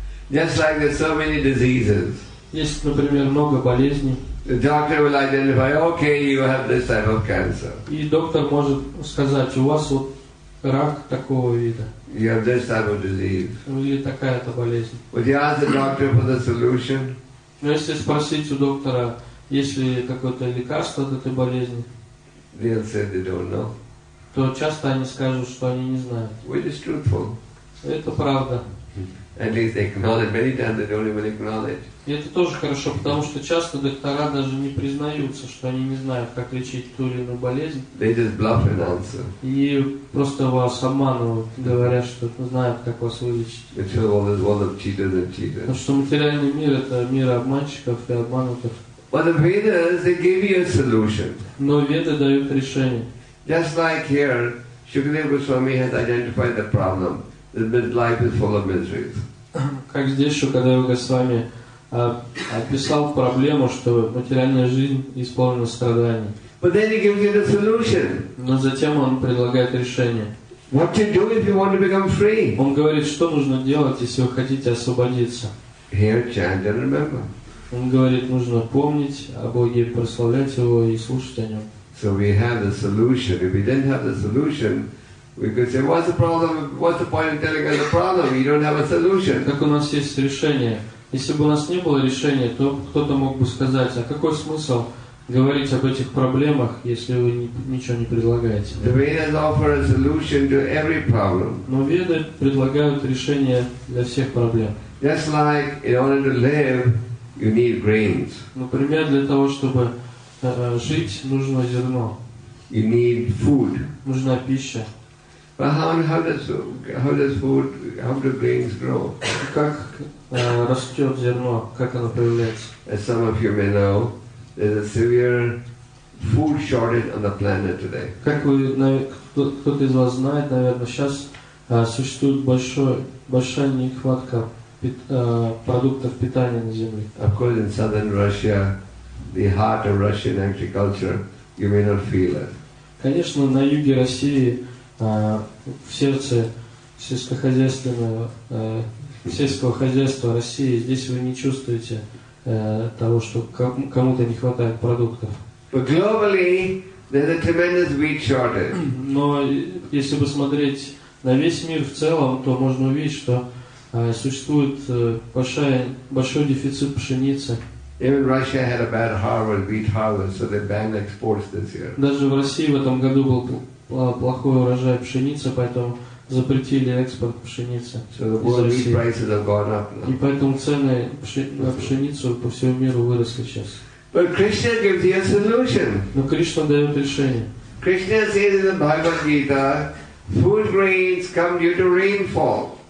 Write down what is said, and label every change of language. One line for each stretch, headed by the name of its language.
English: Just like there's so many diseases.
Russian: Есть, например, много болезней.
English: The doctor will identify, okay, you have this type of cancer.
Russian: И доктор может сказать, у вас вот рак такого вида.
English: You have this type of disease.
Russian: Или такая-то болезнь.
English: Would you ask the doctor for the solution?
Russian: Но если спросить у доктора, есть ли какое-то лекарство от этой болезни?
English: They'll say they don't know.
Russian: То часто они скажут, что они не знают.
English: Which is truthful.
Russian: Это правда.
English: At least they acknowledge. Many times they don't even acknowledge.
Russian: И это тоже хорошо, потому что часто доктора даже не признаются, что они не знают, как лечить ту или иную болезнь.
English: They just bluff an answer.
Russian: И просто вас обманывают, говоря, что знают, как вас вылечить.
English: It's all this world of cheaters and cheaters.
Russian: Потому что материальный мир – это мир обманщиков и обманутых.
English: But the Vedas, they give you a solution.
Russian: Но Веды дают решение.
English: Just like here, Shukadeva Goswami has identified the problem that life is full of miseries.
Russian: Как здесь Шукадева Госвами описал проблему, что материальная жизнь исполнена страданий.
English: But then he gives you the solution.
Russian: Но затем он предлагает решение.
English: What to do if you want to become free?
Russian: Он говорит, что нужно делать, если вы хотите освободиться.
English: Hear, chant, and remember.
Russian: Он говорит, нужно помнить о Боге, прославлять Его и слушать о Нем.
English: So we have the solution. If we didn't have the solution, we could say, what's the problem? What's the point in telling us the problem? You don't have a solution.
Russian: Как у нас есть решение? Если бы у нас не было решения, то кто-то мог бы сказать, а какой смысл говорить об этих проблемах, если вы ничего не предлагаете?
English: The Vedas offer a solution to every problem.
Russian: Но Веды предлагают решение для всех проблем.
English: Just like in order to live, you need grains.
Russian: Например, для того, чтобы жить, нужно зерно.
English: You need food.
Russian: Нужна пища.
English: But how do grains grow?
Russian: Как растет зерно? Как оно появляется?
English: As some of you may know, there's a severe food shortage on the planet today.
Russian: Как вы, кто-то из вас знает, наверное, сейчас существует большая нехватка продуктов питания на Земле.
English: Of course, in southern Russia, the heart of Russian agriculture, you may not feel it.
Russian: Конечно, на юге России в сердце сельскохозяйственного сельского хозяйства России здесь вы не чувствуете того, что кому-то не хватает продуктов.
English: But globally, there's a tremendous wheat shortage.
Russian: Но если бы смотреть на весь мир в целом, то можно увидеть, что существует большой дефицит пшеницы.
English: Even Russia had a bad harvest, wheat harvest, so they banned exports this year.
Russian: Даже в России в этом году был плохой урожай пшеницы, поэтому запретили экспорт пшеницы.
English: So the world wheat prices have gone up now.
Russian: И поэтому цены на пшеницу по всему миру выросли сейчас.
English: But Krishna gives you a solution.
Russian: Но Кришна дает решение.
English: Krishna says in the Bhagavad Gita, food grains come due to rainfall.